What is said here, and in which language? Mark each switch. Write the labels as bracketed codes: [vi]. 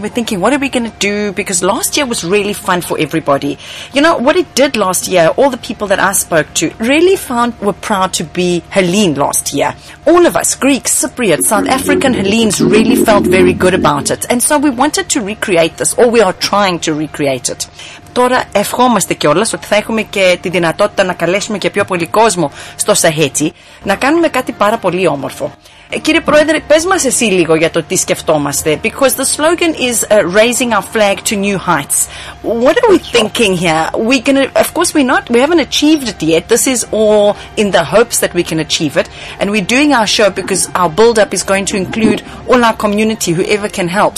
[en] We're thinking, what are we going to do? Because last year was really fun for everybody. You know, what it did last year, all the people that I spoke to really found were proud to be Hellene last year. All of us, Greeks, Cypriots, South African Hellenes, really felt very good about it. And so we wanted to recreate this, or we are trying to recreate it. [el] Τώρα ευχόμαστε κιόλας ότι θα έχουμε και τη δυνατότητα να καλέσουμε και πιο πολύ κόσμο στο Σαχέτι να κάνουμε κάτι πάρα πολύ όμορφο. Κύριε Πρόεδρε, πες μας εσύ λίγο για το τι σκεφτόμαστε. [en] Because the slogan is raising our flag to new heights. What are we thinking here? We haven't achieved it yet. This is all in the hopes that we can achieve it. And we're doing our show because our build-up is going to include all our community, whoever can help.